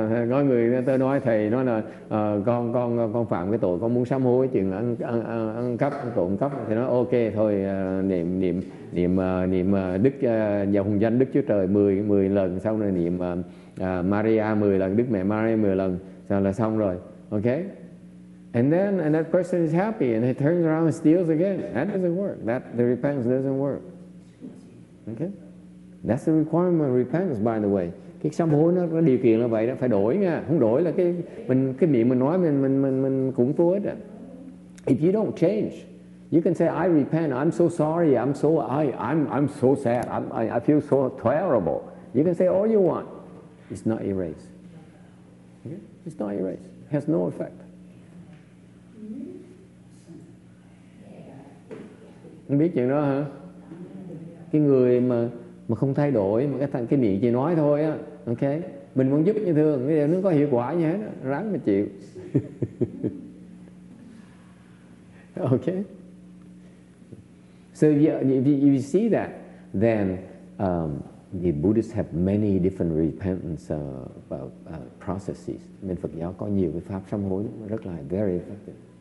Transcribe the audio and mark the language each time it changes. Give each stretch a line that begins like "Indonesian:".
Vietnamese: Có người tới nói, thầy nói là con phạm cái tội, con muốn sám hối chuyện ăn cắp, trộm cắp. Thì nói, okay, thôi, niệm Đức, nhà hùng danh Đức Chúa Trời 10 lần, sau này niệm Maria 10 lần, Đức Mẹ Maria 10 lần, sau là xong rồi.
English: Okay, and then that person is happy and he turns around and steals again. That doesn't work. That the repentance doesn't work. Okay, that's the requirement of repentance, by the way.
Vietnamese: Cái sám hối nó có điều kiện là vậy đó, phải đổi nha. Không đổi là cái miệng mình nói mình cũng vô ích.
English: If you don't change, you can say I repent. I'm so sorry. I'm so sad. I feel so terrible. You can say all you want. It's not erased. Okay, it's not erased. Has no effect.
Vietnamese: Anh biết chuyện đó hả? Cái người mà không thay đổi, mà cái miệng chỉ nói thôi á, okay? Mình muốn giúp như thường, bây giờ nó có hiệu quả như thế, ráng mà chịu. Okay.
English: So if you see that, then the Buddhists have many different repentance processes.
Vietnamese: Bên Phật giáo có nhiều cái pháp sám hối rất là
English: very effective.